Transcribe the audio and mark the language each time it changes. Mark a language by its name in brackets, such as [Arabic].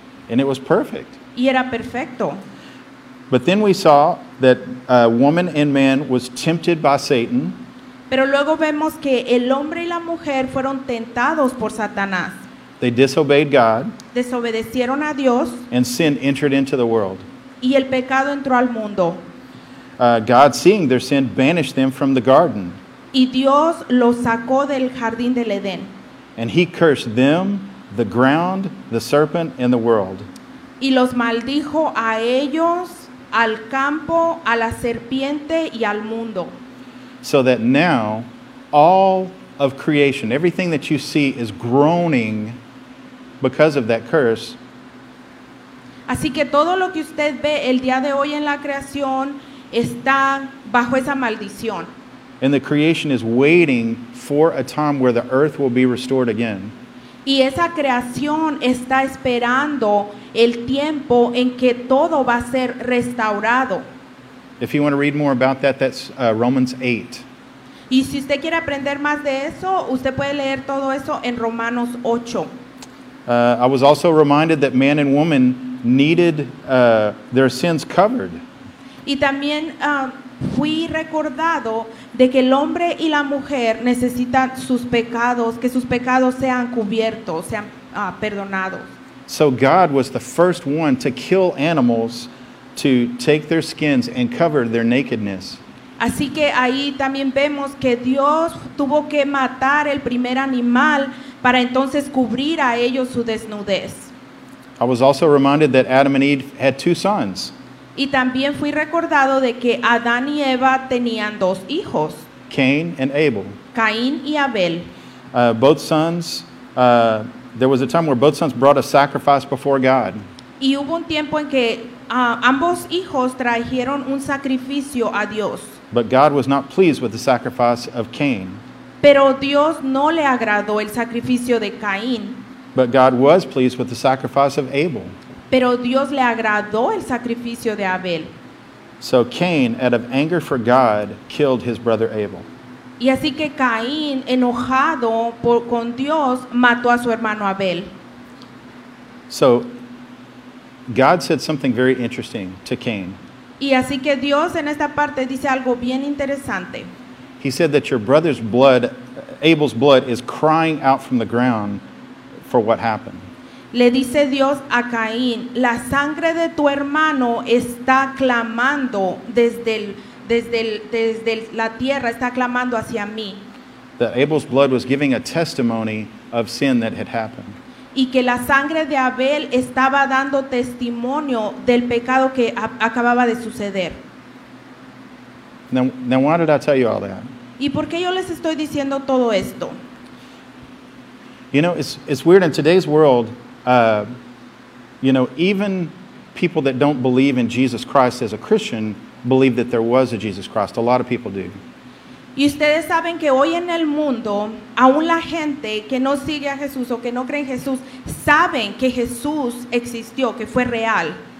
[English] And it was perfect. [Spanish] Y era perfecto. [English] But then we saw that a woman and man was tempted by Satan. [Spanish] Pero luego vemos que el hombre y la mujer fueron tentados por Satanás. [English] They disobeyed God. [Spanish] Desobedecieron a Dios. [English] And sin entered into the world. [Spanish] Y el pecado entró al mundo. [English] God, seeing their sin, banished them from the garden. [Spanish] Y Dios los sacó del jardín del Edén. [English] And he cursed them, the ground, the serpent, and the world. [Spanish] Y los maldijo a ellos, al campo, a la serpiente y al mundo. [English] So that now all of creation, everything that you see, is groaning because of that curse. [Spanish] Así que todo lo que usted ve el día de hoy en la creación está bajo esa maldición. [English] And the creation is waiting for a time where the earth will be restored again. [Spanish] Y esa creación está esperando el tiempo en que todo va a ser restaurado. [English] If you want to read more about that, that's Romans 8. [Spanish] Y si usted quiere aprender más de eso, usted puede leer todo eso en Romanos 8. [English] I was also reminded that man and woman needed their sins covered. [Spanish] Y también fui recordado de que el hombre y la mujer necesitan sus pecados, que sus pecados sean cubiertos, sean perdonados. [English] So God was the first one to kill animals to take their skins and cover their nakedness. [Spanish] Así que ahí también vemos que Dios tuvo que matar el primer animal para entonces cubrir a ellos su desnudez. [English] I was also reminded that Adam and Eve had 2 sons. [Spanish] Y también fui recordado de que Adán y Eva tenían 2 hijos. [English] Cain and Abel. [Spanish] Caín y Abel. [English] Both sons, there was a time where both sons brought a sacrifice before God. [Spanish] Y hubo un tiempo en que ambos hijos trajeron un sacrificio a Dios. [English] But God was not pleased with the sacrifice of Cain. [Spanish] Pero Dios no le agradó el sacrificio de Caín. [English] But God was pleased with the sacrifice of Abel. [Spanish] Pero Dios le agradó el sacrificio de Abel. [English] So Cain, out of anger for God, killed his brother Abel. [Spanish] Y así que Caín, enojado por, con Dios, mató a su hermano Abel. [English] So God said something very interesting to Cain. [Spanish] Y así que Dios en esta parte dice algo bien interesante. [English] He said that your brother's blood, Abel's blood, is crying out from the ground for what happened. [Spanish] Le dice Dios a Caín, la sangre de tu hermano está clamando desde la tierra, está clamando hacia mí. [English] That Abel's blood was giving a testimony of sin that had happened. [Spanish] Y que la sangre de Abel estaba dando testimonio del pecado que acababa de suceder. [English] Now, why did I tell you all that? [Spanish] ¿Y por qué yo les estoy diciendo todo esto? [English] You know, it's weird in today's world, you know, even people that don't believe in Jesus Christ as a Christian believe that there was a Jesus Christ. A lot of people do. [Spanish] Y ustedes saben que hoy en el mundo, aún la gente que no sigue a Jesús o que no cree en Jesús, saben que Jesús existió, que fue real.